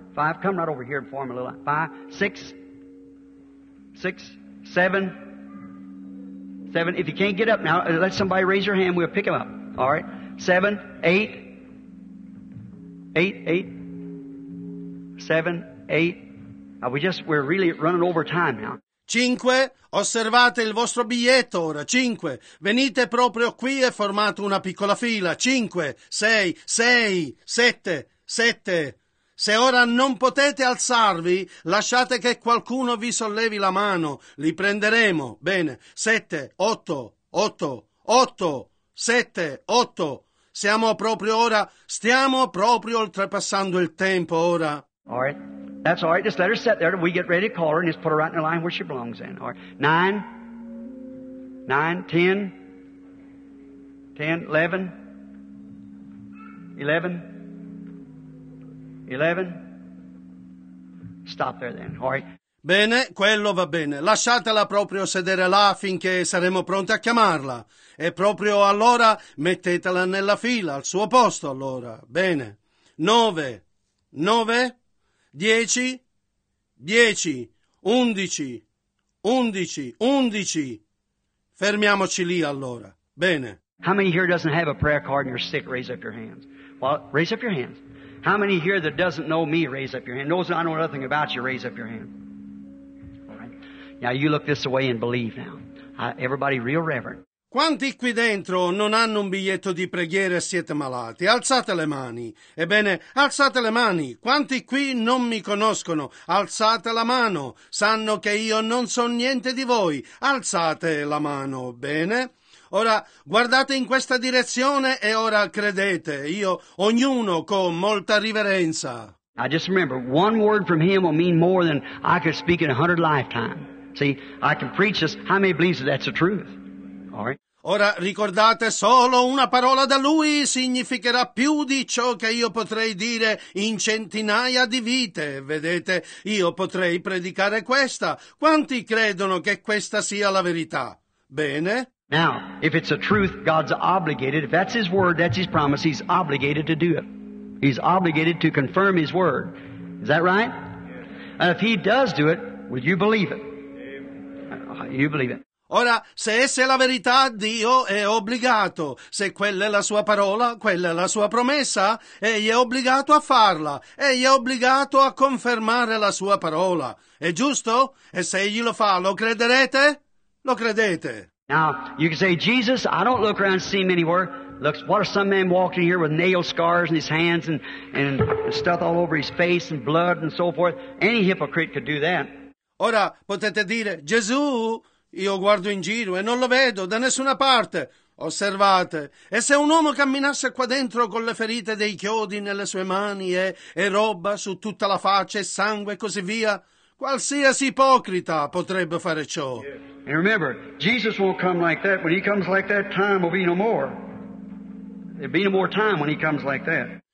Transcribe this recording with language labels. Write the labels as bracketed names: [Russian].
[English] 5, come right over here and form a little. 5, 6, 6, 7, 7. If you can't get up now, let somebody raise your hand. We'll pick him up. All right. 7, 8, 8, 8, 7, 8, We're really running over time now. 5. [Italian] Osservate il vostro biglietto ora. 5. Venite proprio qui e formate una piccola fila. 5. 6. 6. 7. 7. Se ora non potete alzarvi, lasciate che qualcuno vi sollevi la mano. Li prenderemo. Bene. 7. 8. 8. 8. 7. 8. Siamo proprio ora. Stiamo proprio oltrepassando il tempo ora. [English] All right. That's all right. Just let her sit there. We get ready to call her and just put her right in the line where she belongs in. All right. 9. 9. 10. 10. 11. 11. 11. Stop there then. All right. [Italian] Bene, quello va bene. Lasciatela proprio sedere là finché saremo pronti a chiamarla. E proprio allora mettetela nella fila, al suo posto allora. Bene. 9. 9. 10, 10, 11, 11, 11. Fermiamoci lì allora. Bene. [English] How many here doesn't have a prayer card and you're sick? Raise up your hands. Well, raise up your hands. How many here that doesn't know me? Raise up your hand. Knows I know nothing about you? Raise up your hand. All right. Now you look this way and believe now. Everybody real reverent. [Italian] Quanti qui dentro non hanno un biglietto di preghiera e siete malati? Alzate le mani. Ebbene, alzate le mani. Quanti qui non mi conoscono? Alzate la mano. Sanno che io non so niente di voi. Alzate la mano. Bene? Ora, guardate in questa direzione e ora credete. Io, ognuno con molta riverenza. [English] I just remember, one word from him will mean more than I could speak in 100 lifetimes. See, I can preach this. How many believes that that's the truth? [Italian] Ora ricordate, solo una parola da lui significherà più di ciò che io potrei dire in centinaia di vite. Vedete, io potrei predicare questa. Quanti credono che questa sia la verità? Bene. [English] Now, if it's a truth, God's obligated. If that's his word, that's his promise, he's obligated to do it. He's obligated to confirm his word. Is that right? And if he does do it, will you believe it? You believe it. [Italian] Ora, se essa è la verità, Dio è obbligato. Se quella è la sua parola, quella è la sua promessa, egli è obbligato a farla. Egli è obbligato a confermare la sua parola. È giusto? E se egli lo fa, lo crederete? Lo credete. [English] Now, you can say, Jesus, I don't look around and see him anywhere. Look, what are some men walking here with nail scars in his hands and stuff all over his face and blood and so forth? Any hypocrite could do that. [Italian] Ora, potete dire, Gesù, io guardo in giro e non lo vedo da nessuna parte. Osservate. E se un uomo camminasse qua dentro con le ferite dei chiodi nelle sue mani e roba su tutta la faccia e sangue e così via, qualsiasi ipocrita potrebbe fare ciò. [English] And remember, Jesus won't come like that. When he comes like that, time will be no more. There'll be no more time when he comes like that.